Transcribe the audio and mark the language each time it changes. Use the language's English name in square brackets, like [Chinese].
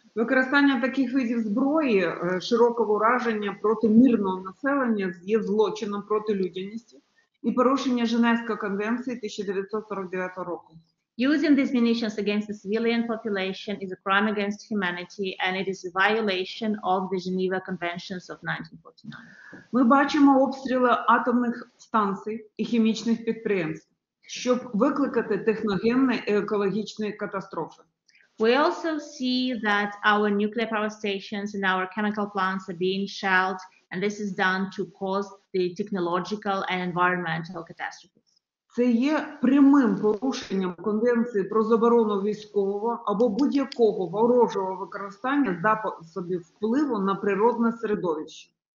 [Ukrainian] Використання таких видів зброї широкого ураження проти мирного населення є злочином проти людяності і порушення Женевської конвенції 1949 року. [English] Using these munitions against the civilian population is a crime against humanity and it is a violation of the Geneva Conventions of 1949. [Ukrainian] Ми бачимо обстріли атомних станцій і хімічних підприємств, щоб викликати техногенні і екологічні катастрофи. [English] We also see that our nuclear power stations and our chemical plants are being shelled, and this is done to cause the technological and environmental catastrophes. [Ukrainian] Це є прямим порушенням конвенції про заборону військового або будь-якого ворожого використання засобів впливу на природне середовище.